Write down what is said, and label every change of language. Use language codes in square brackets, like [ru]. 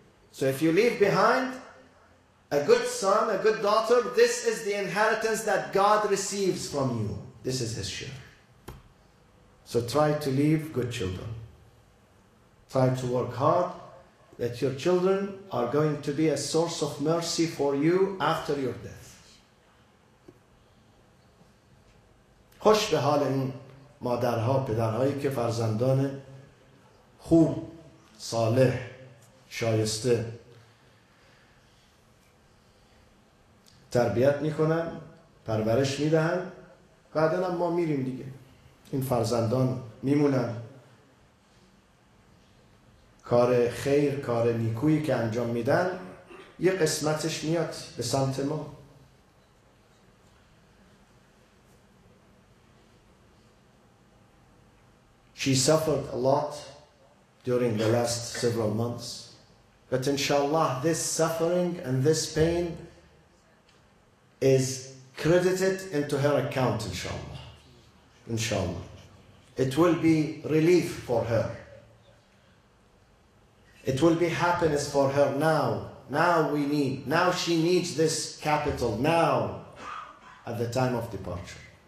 [en] So if you leave behind a good son, a good daughter, this is the inheritance that God receives from you. This is His share. So try to leave good children. Try to work hard that your children are going to be a source of mercy for you after your death. [fa] خوش به حال این مادرها پدرهایی که فرزندان خوب صالح شایسته تربیت میکنن پرورش میدهن بعدن هم ما میریم دیگه این فرزندان میمونن کار خیر، کار نیکویی که انجام میدن یه قسمتش میاد به سمت ما [en] She suffered a lot during the last several months But inshallah, this suffering and this pain is credited into her account, inshallah. Inshallah. It will be relief for her. It will be happiness for her now. Now she needs this capital now at the time of departure.